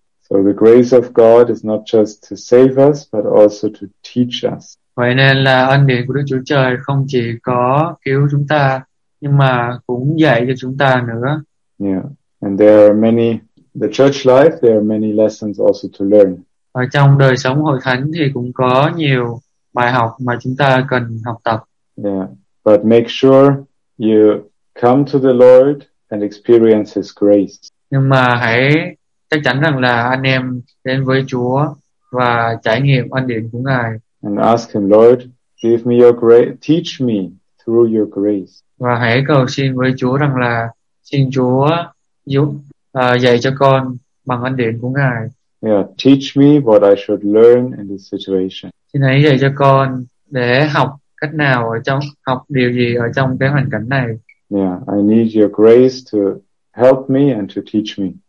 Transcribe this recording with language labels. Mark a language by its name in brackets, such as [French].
[English] So the grace of God is not just to save us, but also to teach us. [Vietnamese] Vậy nên là ân điển của Đức Chúa Trời không chỉ có cứu chúng ta, nhưng mà cũng dạy cho chúng ta nữa. [English] Yeah, and there are many, the church life, there are many lessons also to learn. [Vietnamese] Ở trong đời sống hội thánh thì cũng có nhiều bài học mà chúng ta cần học tập. [English] Yeah, but make sure you come to the Lord and experience His grace. [Vietnamese] Nhưng mà hãy chắc chắn rằng là anh em đến với Chúa và trải nghiệm ân điển của Ngài. [English] And ask Him, Lord, give me your grace, teach me through your grace. [Vietnamese] Và hãy cầu xin với Chúa rằng là xin Chúa dạy cho con bằng ân điển của Ngài. [English] Yeah, teach me what I should learn in this situation. [Vietnamese] Xin hãy dạy cho con để học cách nào ở trong, học điều gì ở trong cái hoàn cảnh này. [English] Yeah, I need your grace to help me and to teach me.